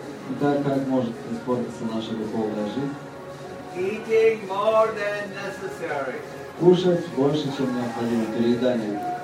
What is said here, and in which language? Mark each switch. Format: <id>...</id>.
<ru>Итак, как может испортиться наша духовная жизнь?</ru> <en>Eating more than necessary.</en> <ru>кушать больше, чем необходимо, переедание.</ru>